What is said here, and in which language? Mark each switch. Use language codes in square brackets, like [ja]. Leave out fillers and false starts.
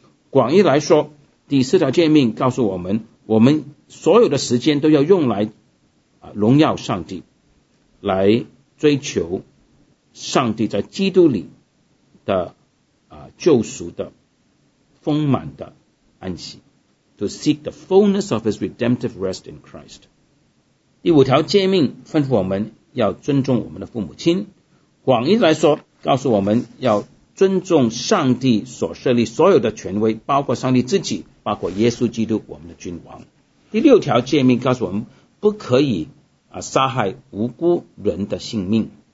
[zh] 广义来说，第四条诫命告诉我们，我们所有的时间都要用来荣耀上帝，来追求上帝在基督里的救赎的丰满的安息。 [en] To seek the fullness of his redemptive rest in Christ. [zh] 第五条诫命吩咐我们要尊重我们的父母亲。广义来说，告诉我们要尊重上帝所设立所有的权威，包括上帝自己，包括耶稣基督我们的君王。第六条诫命告诉我们不可以杀害无辜人的性命。